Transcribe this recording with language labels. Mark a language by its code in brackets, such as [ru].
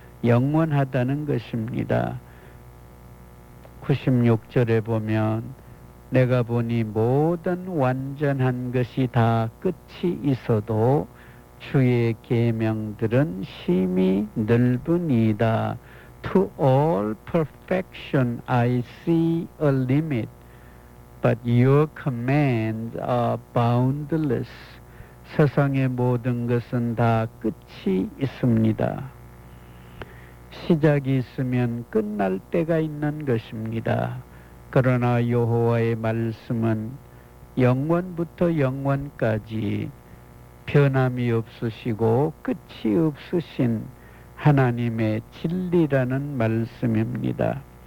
[ko] 영원하다는 것입니다. 96절에 보면 내가 보니 모든 완전한 것이 다 끝이 있어도 주의 계명들은 심히 넓으니이다. [en] To all perfection I see a limit, but your commands are boundless. [ko] 세상의 모든 것은 다 끝이 있습니다. 시작이 있으면 끝날 때가 있는 것입니다. 그러나 여호와의 말씀은 영원부터 영원까지 변함이 없으시고 끝이 없으신 하나님의 진리라는 말씀입니다.